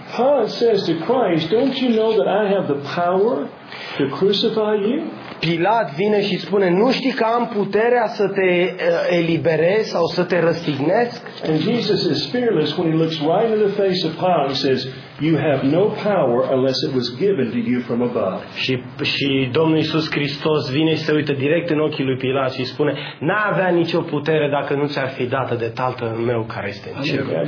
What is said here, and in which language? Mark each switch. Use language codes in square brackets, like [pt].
[en] Pilate says to Christ, don't you know that I have the power to crucify you? [ro] Pilat vine și spune, nu știi că am puterea să te eliberez sau să te răstignesc? [en] And Jesus is fearless when he looks right in the face of Pilate and says, you have no power unless it was given to you from above. [ro] Și Domnul Iisus Hristos vine și se uită direct în ochii lui Pilat și spune, n-avea nicio putere dacă nu ți-ar fi dată de Tatăl meu care este în cer.